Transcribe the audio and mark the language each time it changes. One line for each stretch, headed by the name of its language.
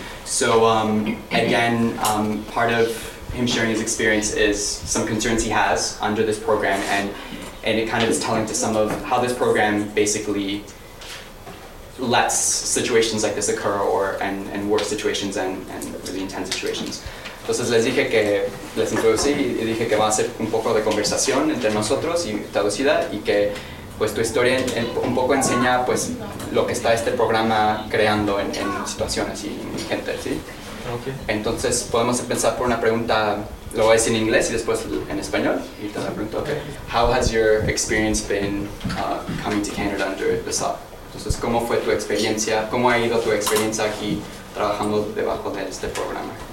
English: So again, part of him sharing his experience is some concerns he has under this program, and it kind of is telling to some of how this program basically lets situations like this occur, or and worse situations and really intense situations.
Spanish: Entonces les dije que les introducí y dije que va a ser un poco de conversación entre nosotros y traducida y que pues tu historia un poco enseña pues lo que está este programa creando en situaciones y gente, ¿sí?
English: Okay.
Spanish: Entonces podemos empezar por una pregunta, lo voy a decir en inglés y después en español y te la pregunto, okay.
English: How has your experience been coming to Canada under the SOP?
Spanish: Entonces, ¿cómo fue tu experiencia? ¿Cómo ha ido tu experiencia aquí trabajando debajo de este programa?